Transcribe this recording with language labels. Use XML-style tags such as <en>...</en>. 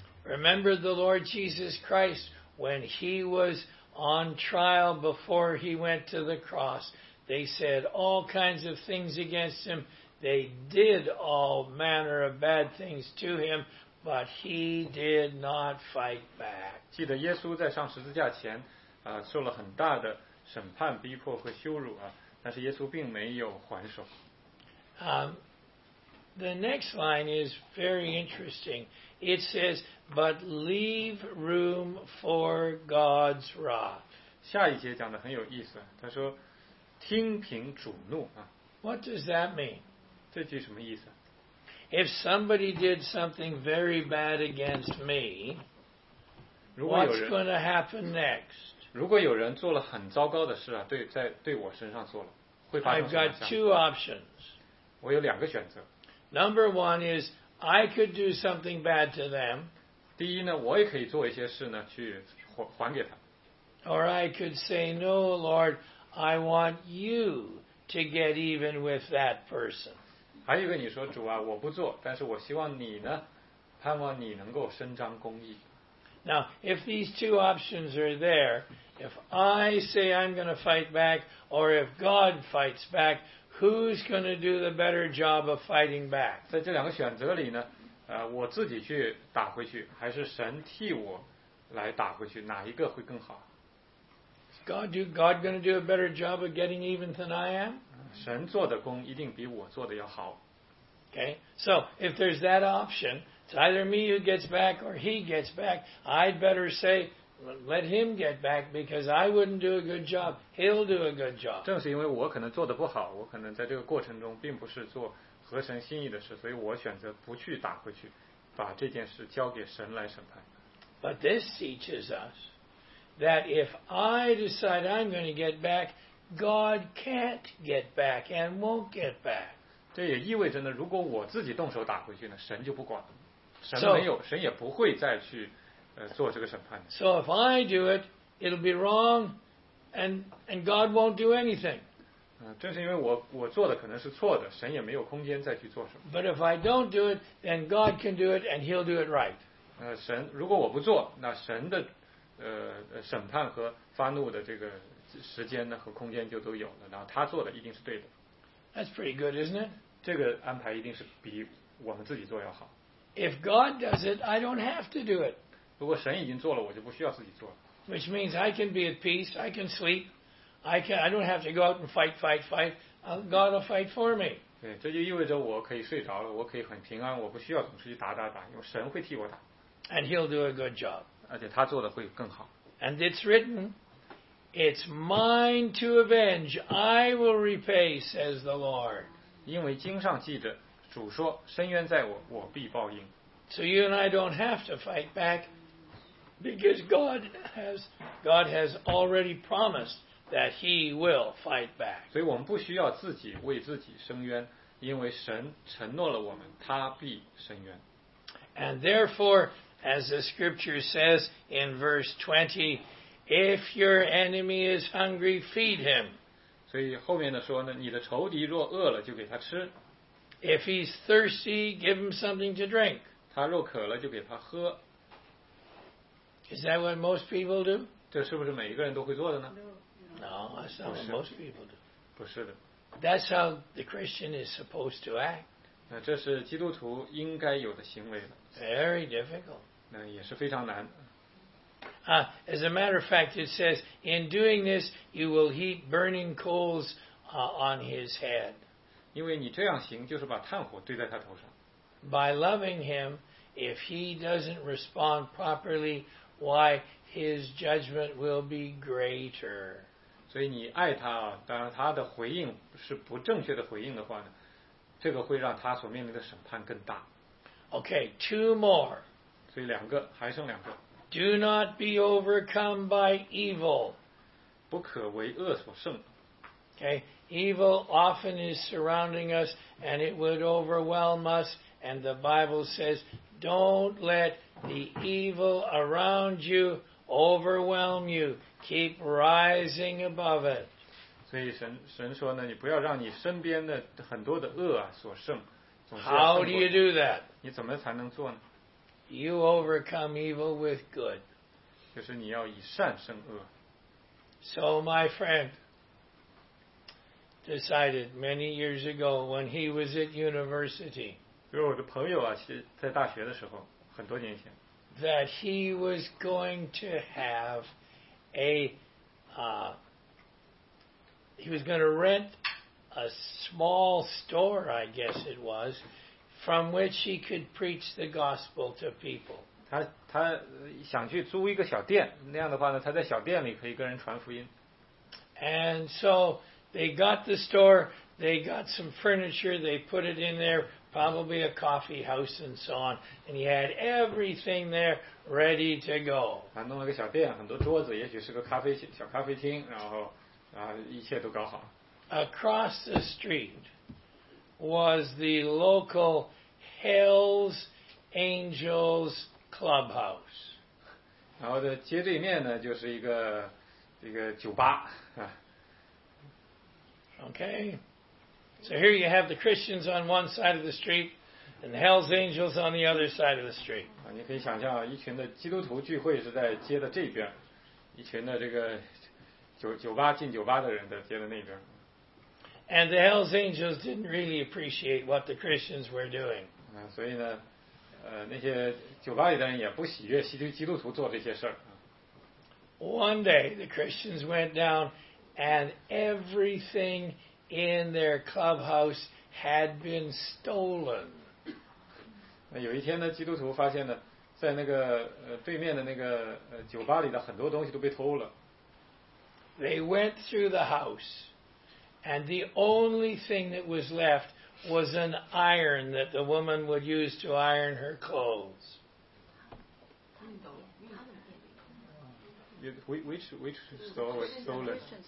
<en>Remember the Lord Jesus Christ when he was on trial before he went to the cross, they said all kinds of things against him, they did all manner of bad things to him, but he did not fight back.</en> <zh>记得耶稣在上十字架前受了很大的审判、逼迫和羞辱啊，但是耶稣并没有还手。</zh> <en>The next line is very interesting. It says, but leave room for God's wrath.</en> <zh>下一节讲得很有意思，他说听凭主怒啊。</zh> <en>What does that mean?</en> <zh>这句什么意思？</zh> <en>If somebody did something very bad against me, what's going to happen next?</en> <zh>如果有人做了很糟糕的事啊，对，在对我身上做了，会发生什么？</zh> <en>I've got two options.</en> <zh>我有两个选择。</zh> <en>Number one is I could do something bad to them.</en> <zh>第一呢，我也可以做一些事呢，去还给他。</zh> <en>Or I could say, No, Lord, I want you to get even with that person.</en> <zh>还有一个你说，主啊，我不做，但是我希望你呢，盼望你能够伸张公义。</zh> <en>Now, if these two options are there, if I say I'm going to fight back, or if God fights back, who's going to do the better job of fighting back?</en> <zh>在这两个选择里呢，我自己去打回去，还是神替我来打回去，哪一个会更好？</zh> <en>God going to do a better job of getting even than I am?</en> <zh>神做的工一定比我做的要好。</zh> <en>Okay, so if there's that option, it's either me who gets back or he gets back, I'd better say, let him get back because I wouldn't do a good job. He'll do a good job.</en> <zh>正是因为我可能做的不好，我可能在这个过程中并不是做合神心意的事，所以我选择不去打回去，把这件事交给神来审判。</zh> <en>But this teaches us,that if I decide I'm going to get back, God can't get back and won't get back.</en> <zh>这也意味着呢，如果我自己动手打回去呢，神就不管了，神没有，神也不会再去做这个审判。</zh> <en>So if I do it, it'll be wrong, and God won't do anything.</en> <zh>正是因为我做的可能是错的，神也没有空间再去做什么。</zh> <en>But if I don't do it, then God can do it, and He'll do it right.</en> <zh>神如果我不做，那神的审判和发怒的这个时间呢和空间就都有了，然后他做的一定是对的。</zh> <en>That's pretty good, isn't it?</en> <zh>这个安排一定是比我们自己做要好。</zh> <en>If God does it, I don't have to do it.</en> <zh>如果神已经做了，我就不需要自己做了。</zh> <en>Which means I can be at peace, I can sleep, I don't have to go out and fight, God will fight for me.</en> <zh>对，这就意味着我可以睡着了，我可以很平安，我不需要总是去打，因为神会替我打。</zh> <en>And He'll do a good job.</en> <zh>而且他做的会更好。</zh> <en>And it's written, it's mine to avenge, I will repay, says the Lord.</en> <zh>因为经上记着，主说，伸冤在我，我必报应。</zh> <en>So you and I don't have to fight back, because God has already promised that He will fight back.</en> <zh>所以我们不需要自己为自己伸冤，因为神承诺了我们，他必伸冤。</zh> <en>And therefore,As the scripture says in verse 20, if your enemy is hungry, feed him.</en> <zh>所以后面的说呢，你的仇敌若饿了，就给他吃。</zh> <en>If he's thirsty, give him something to drink.</en> <zh>他若渴了，就给他喝。</zh> <en>Is that what most people do?</en> <zh>这是不是每一个人都会做的呢？</zh> <en>No, that's not what most people do.</en> <zh>不是的。</zh> <en>That's how the Christian is supposed to act.</en> <zh>那这是基督徒应该有的行为了。</zh> <en>Very difficult.</en> <zh>那也是非常难。</zh> <en>As a matter of fact, it says, in doing this, you will heap burning coals on his head.</en> <zh>因为你这样行，就是把炭火堆在他头上。</zh> <en>By loving him, if he doesn't respond properly, why, his judgment will be greater.</en> <zh>所以你爱他啊，当然他的回应是不正确的回应的话呢，这个会让他所面临的审判更大。</zh> <en>Okay, two more.</en> <zh>所以两个，还剩两个。</zh> <en>Do not be overcome by evil.</en> <zh>不可为恶所胜。</zh> <en>Okay, evil often is surrounding us and it would overwhelm us. And the Bible says, don't let the evil around you overwhelm you. Keep rising above it.</en> <zh>所以神说呢，你不要让你身边的很多的恶啊所胜。</zh> <en>How do you do that?</en> <zh>你怎么才能做呢?</zh> <en>You overcome evil with good.</en> <zh>就是你要以善胜恶。</zh> <en>So my friend decided many years ago when he was at university,</en> <zh>就是我的朋友啊，在大学的时候，很多年前，</zh> <en>that he was going to have he was going to rent a small store, I guess it was, from which he could preach the gospel to people.</en> <zh>他想去租一个小店，那样的话呢，他在小店里可以跟人传福音。</zh> <en>And so they got the store, they got some furniture, they put it in there, probably a coffee house and so on, and he had everything there ready to go.</en> <zh>他弄了个小店，很多桌子，也许是个咖啡小咖啡厅，然后啊，一切都搞好。</zh> <en>Across the street was the local Hell's Angels Clubhouse.</en> <zh>然后的街对面呢，就是一个酒吧。</zh> <en>Okay, so here you have the Christians on one side of the street, and the Hell's Angels on the other side of the street.</en> <zh>你可以想象，一群的基督徒聚会是在街的这边，一群的这个酒吧进酒吧的人在街的那边。</zh> <en>And the Hell's Angels didn't really appreciate what the Christians were doing.</en> <zh>所以呢，那些酒吧里的人也不喜悦基督徒做这些事儿。</zh> <en>One day, the Christians went down, and everything in their clubhouse had been stolen.</en> <zh>有一天呢，基督徒发现呢，在那个对面的那个酒吧里的很多东西都被偷了。</zh> <en>They went through the house. And the only thing that was left was an iron that the woman would use to iron her clothes. Which store was stolen?</en>